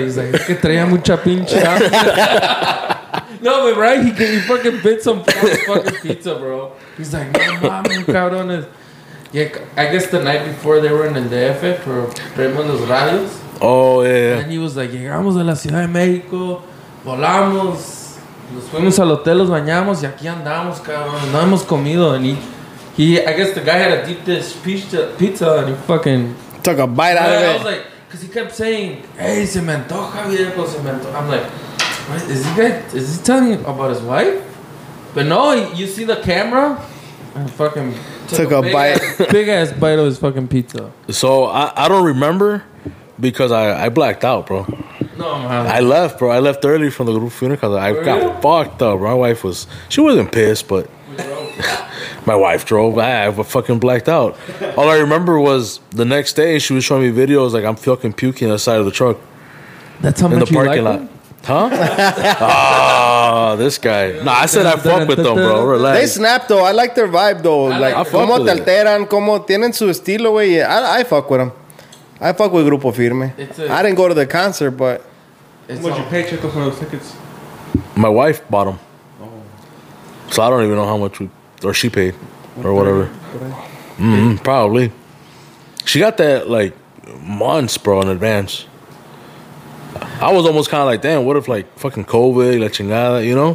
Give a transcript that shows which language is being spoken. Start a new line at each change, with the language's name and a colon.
English: He's like,
Spanish: es que traía mucha pinche.
English: No, but right, he fucking bit some fucking pizza, bro. He's like,
Spanish: no mames, cabrones.
English: Yeah, I guess the night before they were in the DF for Premios Radios. Oh yeah. And he was like,
Spanish: llegamos a la Ciudad de México, volamos. Nos fuimos al hotel, nos bañamos y aquí andamos, cabrón. No hemos comido.
English: And he, I guess the guy had a deep dish pizza and he fucking took a bite out of it. I was like, because he kept saying, hey,
Spanish: se me antoja, viejo, se me antoja.
English: I'm like, what, is he telling about his wife? But no, you see the camera? And fucking took a bite. Big ass bite of his fucking pizza. So I don't remember because I blacked out, bro. No, man. I left early from the group funeral because I got fucked up. My wife was, she wasn't pissed, but My wife drove. I fucking blacked out. All I remember was the next day she was showing me videos like I'm fucking puking on the side of the truck. That's how in much the parking you like lot. Huh? this guy. No, I said I fuck with them, bro. Relax. They snap, though. I like their vibe, though. Like, I fuck with them.
Spanish: Como te alteran, como tienen su estilo, güey.
English: I fuck with them. I fuck with Grupo Firme. I didn't go to the concert, but... How much you pay, Chico, for those tickets? My wife bought them. Oh. So I don't even know how much we... Or she paid. Or whatever. Mm-hmm, probably. She got that, like, months, bro, in advance. I was almost kind of like, damn, what if, like, fucking COVID,
Spanish: la chingada,
English: you know?